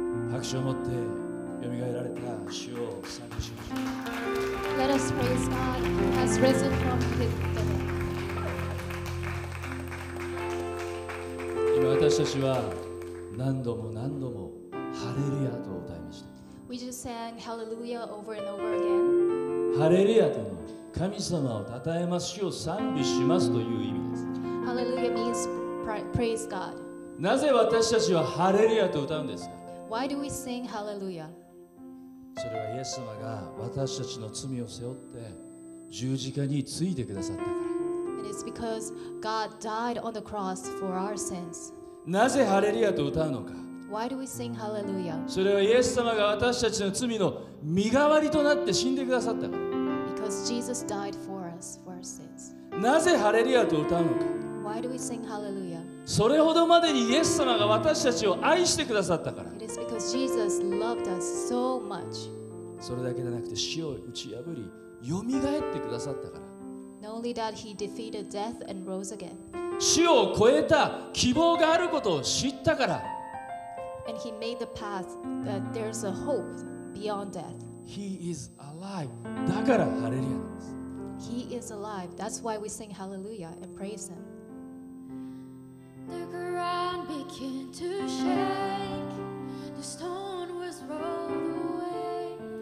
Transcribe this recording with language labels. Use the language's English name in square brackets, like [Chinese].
[Japanese] 確証を持ってよみがえられた主を賛美しましょう。 [English] Let us praise God who has risen from the dead. [Japanese] 今私たちは何度も何度もハレルヤと歌いました。 [English] We just sang Hallelujah over and over again. [Japanese] ハレルヤというのは神様を讃えます、主を賛美しますという意味です。 [English] Hallelujah means praise God. [Japanese] なぜ私たちはハレルヤと歌うんですか？ [English] Why do we sing Hallelujah? [Japanese] それはイエス様が私たちの罪を背負って十字架についてくださったから。 [English] It is because God died on the cross for our sins. [Japanese] なぜハレルヤと歌うのか？ [English] Why do we sing Hallelujah? [Japanese] それはイエス様が私たちの罪の身代わりとなって死んでくださったから。 [English] Because Jesus died for us for our sins. [Japanese] なぜハレルヤと歌うのか？ [English] Why do we sing Hallelujah? [Japanese] それほどまでにイエス様が私たちを愛してくださったから。 [English] It is because Jesus loved us so much. [Japanese] それだけでなくて死を打ち破り、よみがえってくださったから。 [English] Not only that he defeated death and rose again. [Japanese] 死を超えた希望があることを知ったから。 [English] And he made the path that there's a hope beyond death. He is alive. [Japanese] だからハレルヤです。 [English] He is alive. That's why we sing Hallelujah and praise him. The ground began to shake, the stone was rolled away.